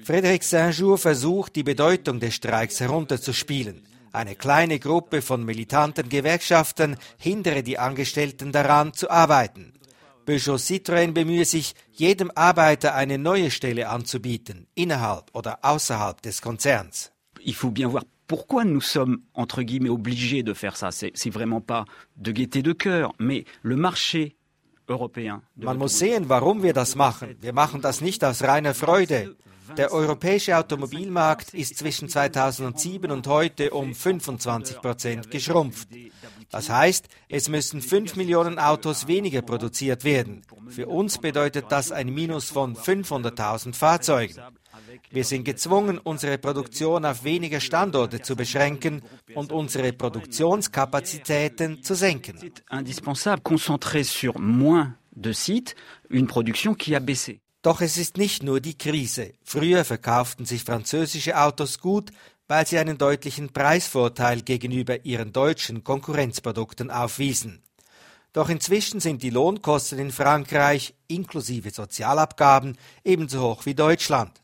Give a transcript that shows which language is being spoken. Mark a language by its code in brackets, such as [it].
[de] Frédéric Saint-Jour versucht die Bedeutung des Streiks herunterzuspielen. Eine kleine Gruppe von militanten Gewerkschaften hindere die Angestellten daran zu arbeiten. Peugeot Citroën bemühe sich, jedem Arbeiter eine neue Stelle anzubieten, innerhalb oder außerhalb des Konzerns. [fr] Il faut bien voir pourquoi nous sommes entre guillemets obligés de faire ça. C'est vraiment pas de gaieté de cœur, mais le marché. [de] Man muss sehen, warum wir das machen. Wir machen das nicht aus reiner Freude. Der europäische Automobilmarkt ist zwischen 2007 und heute um 25% geschrumpft. Das heißt, es müssen 5 Millionen Autos weniger produziert werden. Für uns bedeutet das ein Minus von 500.000 Fahrzeugen. Wir sind gezwungen, unsere Produktion auf weniger Standorte zu beschränken und unsere Produktionskapazitäten zu senken. [fr] C'est indispensable, concentré sur moins de sites, une production qui a baissé. [de] Doch es ist nicht nur die Krise. Früher verkauften sich französische Autos gut, weil sie einen deutlichen Preisvorteil gegenüber ihren deutschen Konkurrenzprodukten aufwiesen. Doch inzwischen sind die Lohnkosten in Frankreich, inklusive Sozialabgaben, ebenso hoch wie Deutschland.